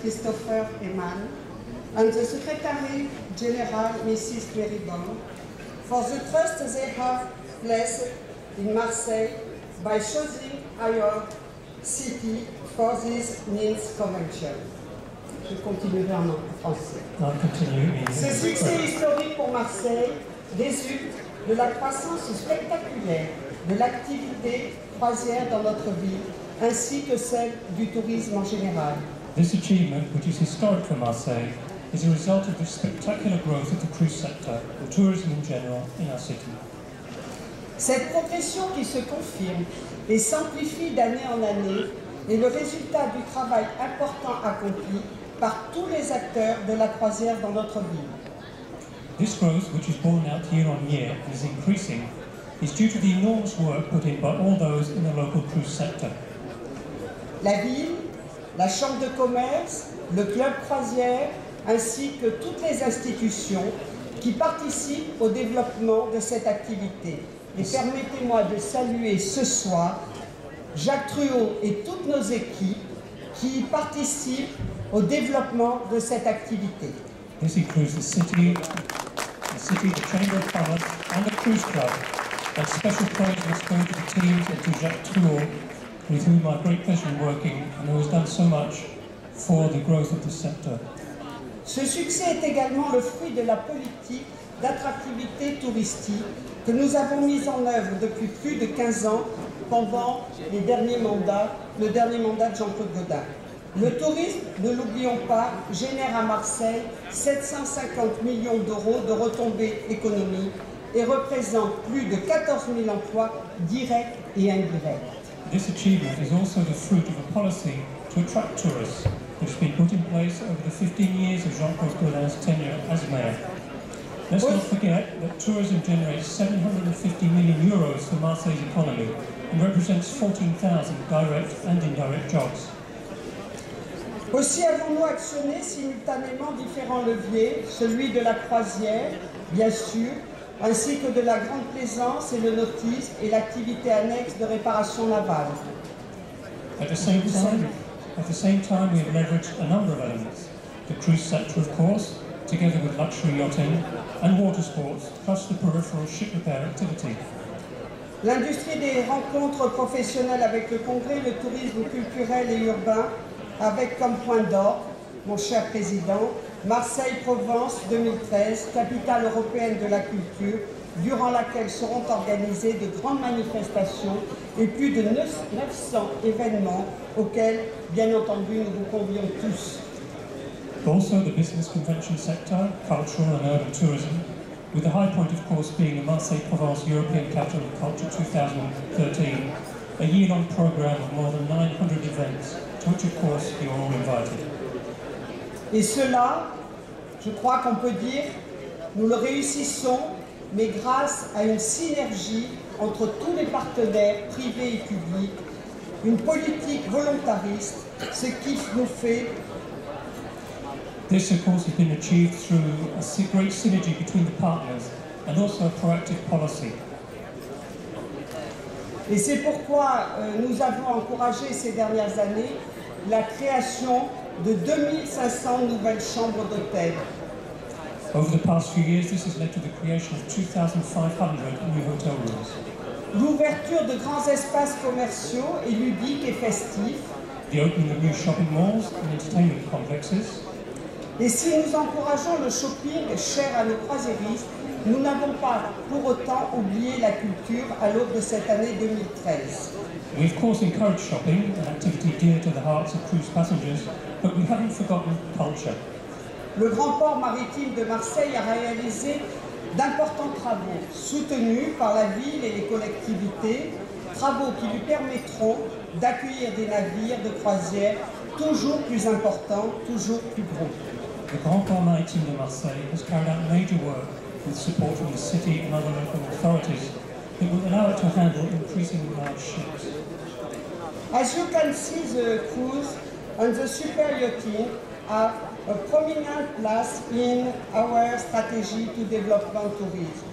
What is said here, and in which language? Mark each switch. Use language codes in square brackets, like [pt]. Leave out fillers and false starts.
[en] Christopher Eman, and the Secretary General, Mrs. Mary Bond, for the trust they have placed in Marseille by choosing our city for this means convention. [fr] Je continuerai en français. Ce succès historique pour Marseille résulte de la croissance spectaculaire de l'activité croisière dans notre ville, ainsi que celle du tourisme en général. [en] This achievement, which is historic for Marseille, is a result of the spectacular growth of the cruise sector, the tourism in general, in our city. [fr] Cette progression qui se confirme et s'amplifie d'année en année est le résultat du travail important accompli par tous les acteurs de la croisière dans notre ville. [en] This growth, which is borne out year on year and is increasing, is due to the enormous work put in by all those in the local cruise sector. [fr] La ville, la chambre de commerce, le club croisière, ainsi que toutes les institutions qui participent au développement de cette activité. Et permettez-moi de saluer ce soir Jacques Truot et toutes nos équipes qui participent au développement de cette activité. [en] This includes the city, the Chamber of Commerce, and the cruise club. A special praise must go to the teams and to Jacques Truot, with whom I have great pleasure in working and who has done so much for the growth of the sector. [fr] Ce succès est également le fruit de la politique d'attractivité touristique que nous avons mise en œuvre depuis plus de 15 ans pendant le dernier mandat de Jean-Claude Gaudin. Le tourisme, ne l'oublions pas, génère à Marseille 750 millions d'euros de retombées économiques et représente plus de 14 000 emplois directs et indirects. [en] This achievement is also the fruit of a policy to attract tourists, which has been put in place over the 15 years of Jean-Claude Gaudin's tenure as mayor. Let's not forget that tourism generates 750 million euros for Marseille's economy and represents 14,000 direct and indirect jobs. [fr] Aussi avons-nous actionné simultanément différents leviers, celui de la croisière, bien sûr, ainsi que de la grande plaisance et le nautisme et l'activité annexe de réparation navale. [en] At the same time, we have leveraged a number of elements. The cruise sector, of course, together with luxury yachting and water sports, plus the peripheral ship repair activity. [fr] L'industrie des rencontres professionnelles avec le Congrès, le tourisme culturel et urbain, avec comme point d'or, mon cher Président, Marseille-Provence 2013, capitale européenne de la culture, durant laquelle seront organisées de grandes manifestations et plus de 900 événements auxquels, bien entendu, nous vous convions tous. [en] Also, the business convention sector, cultural and urban tourism, with the high point, of course, being the Marseille-Provence European Capital of Culture 2013, a year-long program of more than 900 events, to which, of course, you are all invited. [fr] Et cela, je crois qu'on peut dire, nous le réussissons, mais grâce à une synergie entre tous les partenaires privés et publics, une politique volontariste, ce qui nous fait. [en] This, of course, has been achieved through a great synergy between the partners and also a proactive policy. [fr] Et c'est pourquoi nous avons encouragé ces dernières années la création de 2500 nouvelles chambres d'hôtel. [en] Over the past few years, this has led to the creation of 2500 new hotel rooms. [fr] L'ouverture de grands espaces commerciaux et ludiques et festifs. [en] The opening of new shopping malls and entertainment complexes. [fr] Et si nous encourageons le shopping cher à nos croisiéristes, nous n'avons pas pour autant oublié la culture à l'aube de cette année 2013. [en] We of course encourage shopping, an activity dear to the hearts of cruise passengers, but we haven't forgotten culture. [fr] Le grand port maritime de Marseille a réalisé d'importants travaux soutenus par la ville et les collectivités, travaux qui lui permettront d'accueillir des navires de croisière toujours plus importants, toujours plus gros. [en] Le grand port maritime de Marseille has carried out major work with support from the city and other local authorities that will allow it to handle increasingly large ships. As you can see, the cruise on the super yacht a prominent place in our strategy to develop tourism.